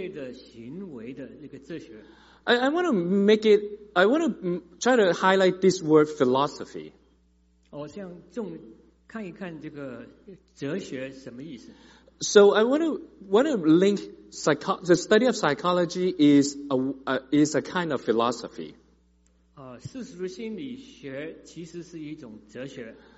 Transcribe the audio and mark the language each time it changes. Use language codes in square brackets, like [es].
[zh] 事实的心理学是尝试来解释人类的行为的那个哲学。 [en] I want to try to highlight this word philosophy. [zh] 我想看一看这个哲学什么意思。 [en] So I want to link the study of psychology is a kind of philosophy. [zh] 事实心理学其实是一种哲学。